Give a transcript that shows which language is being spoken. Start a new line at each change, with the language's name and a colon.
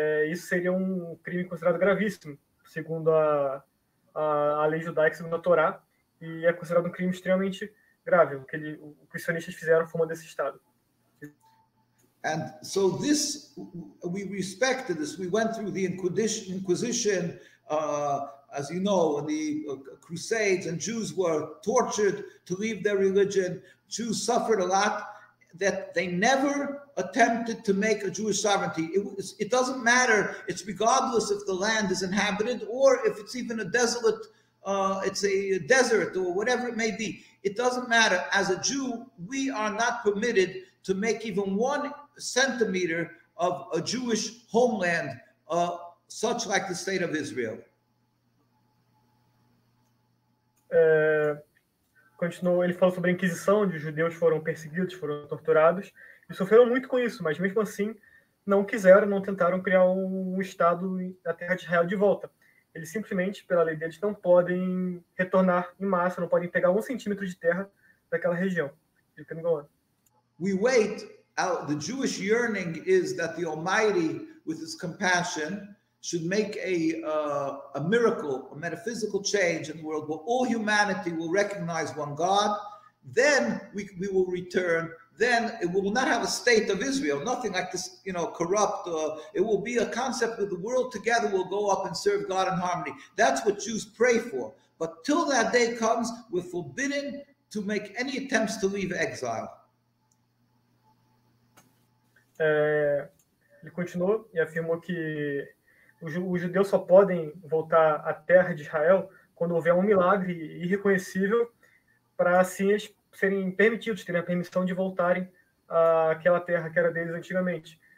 Portuguese: Isso seria um crime considerado gravíssimo, segundo a lei judaica, segundo a Torá, e é considerado um crime extremamente grave, o que os sionistas fizeram fora desse estado.
English: And so this, we respected this, we went through the Inquisition, as you know, in the Crusades, and Jews were tortured to leave their religion. Jews suffered a lot, that they never attempted to make a Jewish sovereignty. It doesn't matter, it's regardless if the land is inhabited or if it's even a desolate, it's a desert or whatever it may be. It doesn't matter. As a Jew, we are not permitted to make even 1 centimeter of a Jewish homeland, such like the state of Israel.
Portuguese: Continuou, ele falou sobre a Inquisição, onde os judeus foram perseguidos, foram torturados, e sofreram muito com isso, mas mesmo assim, não quiseram, não tentaram criar um Estado na Terra de Israel de volta. Eles simplesmente, pela lei deles, não podem retornar em massa, não podem pegar 1 centímetro de terra daquela região.
English: You can go on. We wait. The Jewish yearning is that the Almighty, with his compassion, should make a miracle, a metaphysical change in the world where all humanity will recognize one God. Then we will return. Then it will not have a state of Israel, nothing like this, you know, corrupt. It will be a concept where the world together will go up and serve God in harmony. That's what Jews pray for. But till that day comes, we're forbidden to make any attempts to leave exile.
Portuguese: Ele continuou e afirmou que os judeus só podem voltar à terra de Israel quando houver um milagre irreconhecível para assim eles serem permitidos, terem a permissão de voltarem àquela terra que era deles antigamente.